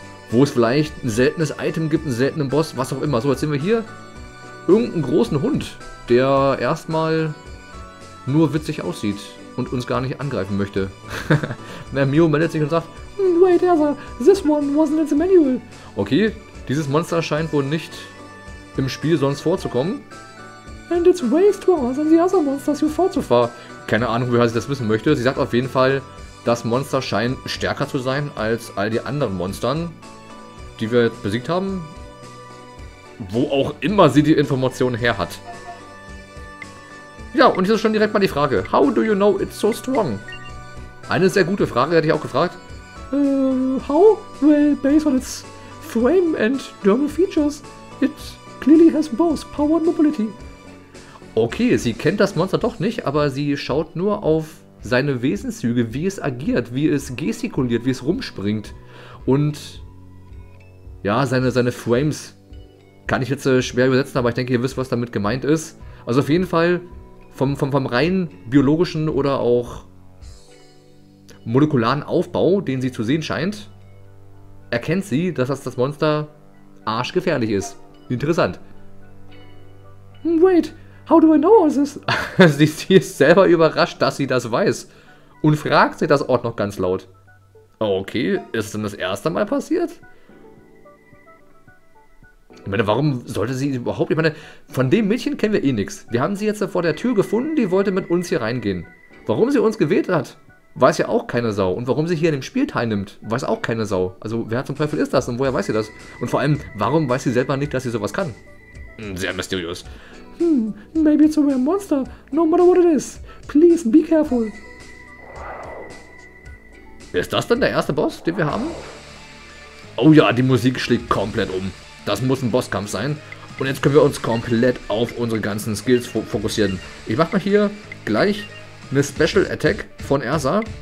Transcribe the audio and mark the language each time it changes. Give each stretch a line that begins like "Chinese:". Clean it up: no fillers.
German: Wo es vielleicht ein seltenes Item gibt, einen seltenen Boss, was auch immer. So, jetzt sehen wir hier irgendeinen großen Hund, der erstmal nur witzig aussieht und uns gar nicht angreifen möchte. Na, Mio meldet sich und sagt,
English: wait, this one wasn't in the manual.
German: Okay, dieses Monster scheint wohl nicht im Spiel sonst vorzukommen.
English: And it's way stronger than the other monsters you fought so far.
German: Keine Ahnung, woher sie das wissen möchte. Sie sagt auf jeden Fall, das Monster scheint stärker zu sein als all die anderen Monstern, die wir besiegt haben. Wo auch immer sie die Information her hat. Ja, und hier ist schon direkt mal die Frage.
English: How do you know it's so strong?
German: Eine sehr gute Frage, hätte ich auch gefragt.
English: How? Well, based on its frame and dermal features, it clearly has both power and mobility.
German: Okay, sie kennt das Monster doch nicht, aber sie schaut nur auf seine Wesenszüge, wie es agiert, wie es gestikuliert, wie es rumspringt. Und ja, seine Frames kann ich jetzt schwer übersetzen, aber ich denke, ihr wisst, was damit gemeint ist. Also auf jeden Fall vom rein biologischen oder auch molekularen Aufbau, den sie zu sehen scheint, erkennt sie, dass das Monster arschgefährlich ist. Interessant.
English: Wait, how do I know all this?
German: sie ist selber überrascht, dass sie das weiß und fragt sich das auch noch ganz laut. Okay, ist es denn das erste Mal passiert? Ich meine, warum sollte sie überhaupt... Ich meine, von dem Mädchen kennen wir eh nichts. Wir haben sie jetzt vor der Tür gefunden, die wollte mit uns hier reingehen. Warum sie uns gewählt hat, weiß ja auch keine Sau. Und warum sie hier in dem Spiel teilnimmt, weiß auch keine Sau. Also, wer zum Teufel ist das und woher weiß sie das? Und vor allem, warum weiß sie selber nicht, dass sie sowas kann? Sehr mysteriös.
English: Maybe it's a rare monster, no matter what it is. Please, be careful.
German: Ist das denn der erste Boss, den wir haben? Oh ja, die Musik schlägt komplett um. Das muss ein Bosskampf sein. Und jetzt können wir uns komplett auf unsere ganzen Skills fokussieren. Ich mache mal hier gleich eine Special Attack von Ersa.